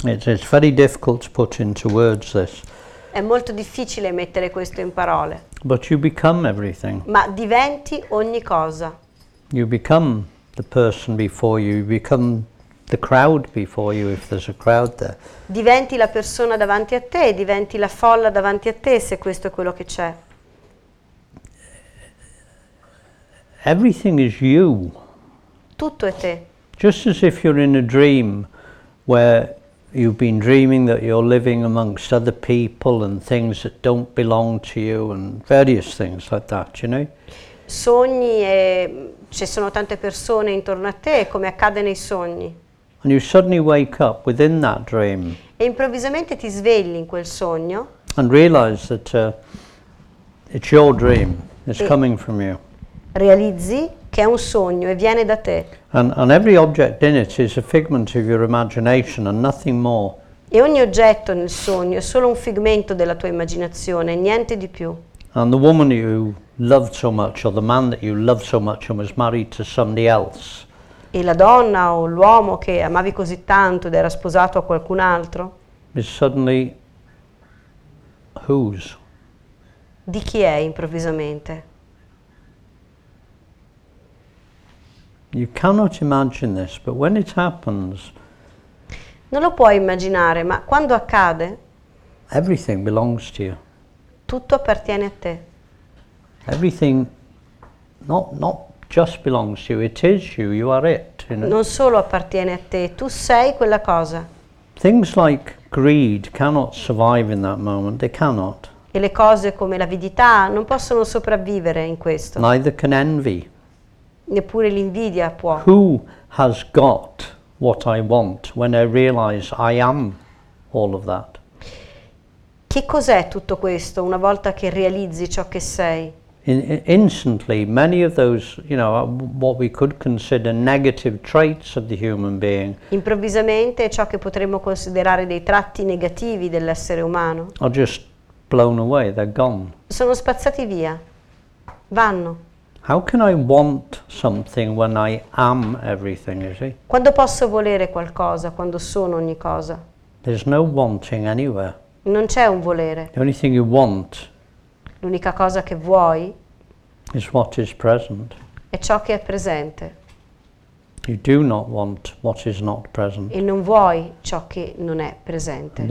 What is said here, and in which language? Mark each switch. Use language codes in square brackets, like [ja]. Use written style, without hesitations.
[en] it's very difficult to put into words this. [it] È molto difficile mettere questo in parole. [en] But you become everything. [it] Ma diventi ogni cosa. [en] You become the person before you. You become the crowd before you, if there's a crowd there. [it] Diventi la persona davanti a te, diventi la folla davanti a te, se questo è quello che c'è. [en] Everything is you. [it] Tutto è te. [en] Just as if you're in a dream where you've been dreaming that you're living amongst other people and things that don't belong to you and various things like that, you know? [it] Sogni e ci sono tante persone intorno a te, come accade nei sogni. [en] And you suddenly wake up within that dream. [it] E improvvisamente ti svegli in quel sogno. [en] And realize that it's your dream. It's coming from you. [it] Realizzi che è un sogno e viene da te. [en] And every object in it is a figment of your imagination and nothing more. [it] E ogni oggetto nel sogno è solo un figmento della tua immaginazione, niente di più. [en] And the woman you loved so much, or the man that you loved so much, and was married to somebody else. [it] E la donna o l'uomo che amavi così tanto ed era sposato a qualcun altro? [en] Is suddenly whose? [it] Di chi è improvvisamente? [en] You cannot imagine this, but when it happens, [it] non lo puoi immaginare, ma quando accade, [en] everything belongs to you. [it] Tutto appartiene a te. [en] Everything not just belongs to you, it is you, you are it. You know? [it] Non solo appartiene a te, tu sei quella cosa. [en] Things like greed cannot survive in that moment, they cannot. [it] E le cose come l'avidità non possono sopravvivere in questo. [en] Neither can envy. [it] Neppure l'invidia può. [en] Who has got what I want when I realize I am all of that? [it] Che cos'è tutto questo una volta che realizzi ciò che sei? [en] Instantly, many of those, you know, what we could consider negative traits of the human being. [it] Improvvisamente, ciò che potremmo considerare dei tratti negativi dell'essere umano. [en] Are just blown away. They're gone. [it] Sono spazzati via. Vanno. [en] How can I want something when I am everything? You see. [it] Quando posso volere qualcosa quando sono ogni cosa? [en] There's no wanting anywhere. [it] Non c'è un volere. [en] The only thing you want. [it] L'unica cosa che vuoi [en] is what is present. [it] È ciò che è presente. [en] You do not want what is not present. [it] E non vuoi ciò che non è presente.